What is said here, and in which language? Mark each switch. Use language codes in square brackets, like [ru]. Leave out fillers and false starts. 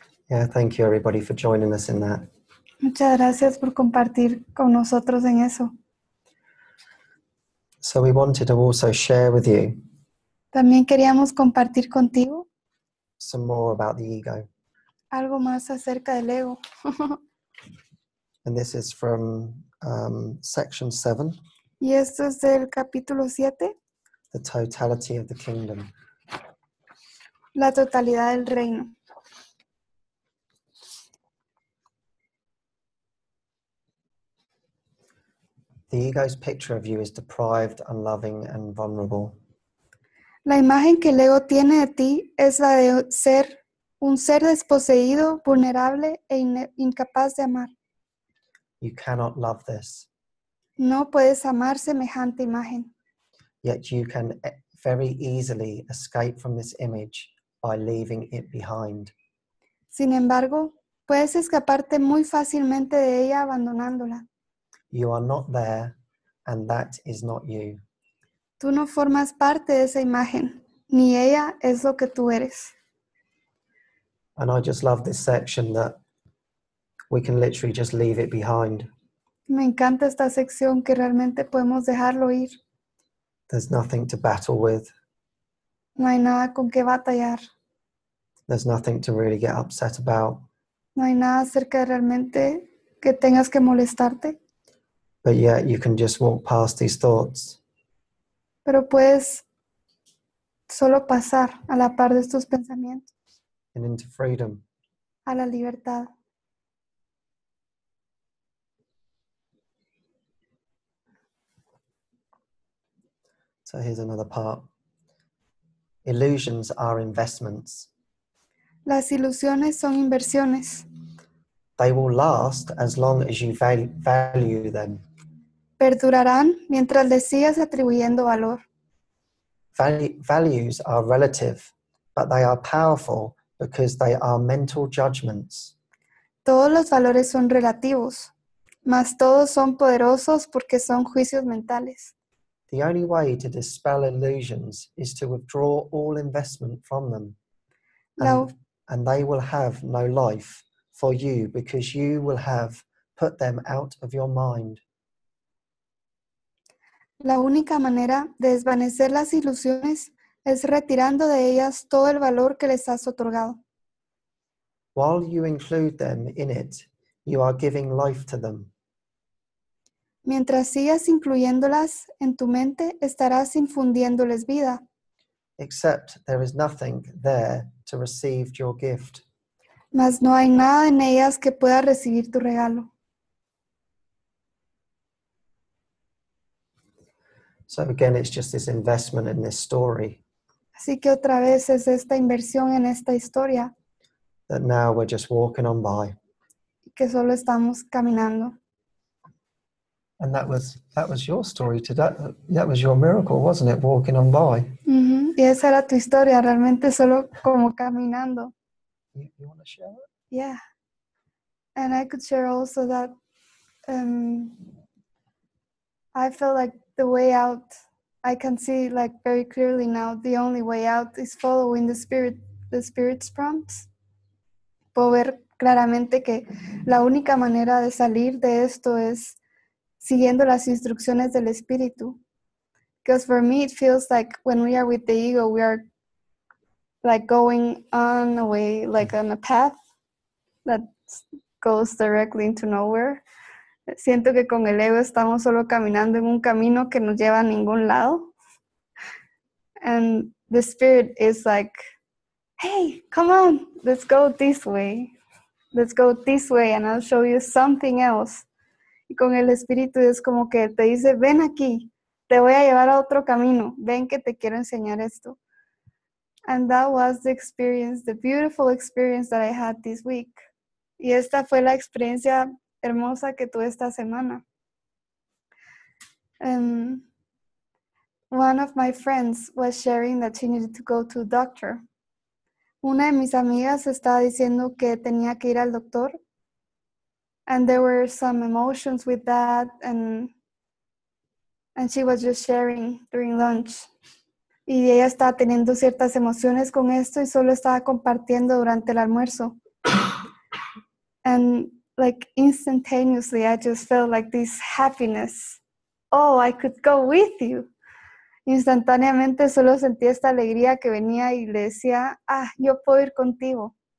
[en] Yeah, thank you everybody for joining us in that. [es] Muchas gracias por compartir con nosotros en eso. [en] So we wanted to also share with you. [es] También queríamos compartir contigo. [en] Some more about the ego. [es] Algo más acerca del ego. [en] And this is from section 7. [es] Y esto es del capítulo 7. [en] The totality of the kingdom. [es] La totalidad del reino. [en] The ego's picture of you is deprived, unloving, and vulnerable. [es] La imagen que el ego tiene de ti es la de ser un ser desposeído, vulnerable, e incapaz de amar. [en] You cannot love this. [es] No puedes amar semejante imagen. [en] Yet you can very easily escape from this image by leaving it behind. [es] Sin embargo, puedes escaparte muy fácilmente de ella abandonándola. [en] You are not there, and that is not you. [es] Tú no formas parte de esa imagen, ni ella es lo que tú eres. [en] And I just love this section that we can literally just leave it behind. [es] Me encanta esta sección que realmente podemos dejarlo ir. [en] There's nothing to battle with. [es] No hay nada con qué batallar. [en] There's nothing to really get upset about. [es] No hay nada acerca de realmente que tengas que molestarte. [en] But yet you can just walk past these thoughts. [es] Pero puedes solo pasar a la par de estos pensamientos. [en] And into freedom. [es] A la libertad. [en] So here's another part. Illusions are investments. [es] Las ilusiones son inversiones. [en] They will last as long as you value them. [es] Perdurarán mientras le sigas atribuyendo valor. [en] Values are relative, but they are powerful because they are mental judgments. [es] Todos los valores son relativos, mas todos son poderosos porque son juicios mentales. [en] The only way to dispel illusions is to withdraw all investment from them. And they will have no life for you because you will have put them out of your mind. [es] La única manera de desvanecer las ilusiones es retirando de ellas todo el valor que les has otorgado. [en] While you include them in it, you are giving life to them. [es] Mientras sigas incluyéndolas en tu mente, estarás infundiéndoles vida. [en] Except there is nothing there to receive your gift. [es] Mas no hay nada en ellas que pueda recibir tu regalo. [en] So again, it's just this investment in this story. [es] Así que otra vez es esta inversión en esta historia. [en] That now we're just walking on by. [es] Que solo estamos caminando. [en] And that was your story today. That was your miracle, wasn't it? Walking on by. [es] Y esa era tu historia, realmente solo como caminando. [en] You want to share it? Yeah. And I could share also that I felt like the way out, I can see like very clearly now, the only way out is following the spirit's prompts. [es] Puedo ver claramente que la única manera de salir de esto es siguiendo las instrucciones del espíritu. [en] Because for me, it feels like when we are with the ego, we are like going on a way, like on a path that goes directly into nowhere. [es] Siento que con el ego estamos solo caminando en un camino que nos lleva a ningún lado. [en] And the spirit is like, hey, come on, let's go this way. Let's go this way and I'll show you something else. [es] Y con el espíritu es como que te dice, ven aquí. Te voy a llevar a otro camino. Ven que te quiero enseñar esto. [en] And that was the experience, the beautiful experience that I had this week. [es] Y esta fue la experiencia hermosa que tuve esta semana. [en] One of my friends was sharing that she needed to go to a doctor. [es] Una de mis amigas estaba diciendo que tenía que ir al doctor. [en] And there were some emotions with that and she was just sharing during lunch. [es] Y ella estaba teniendo ciertas emociones con esto y solo estaba compartiendo durante el almuerzo. [en] And like instantaneously, I just felt like this happiness. Oh, I could go with you. [es] Instantáneamente solo sentí esta alegría que venía y le decía, ah, yo puedo ir contigo.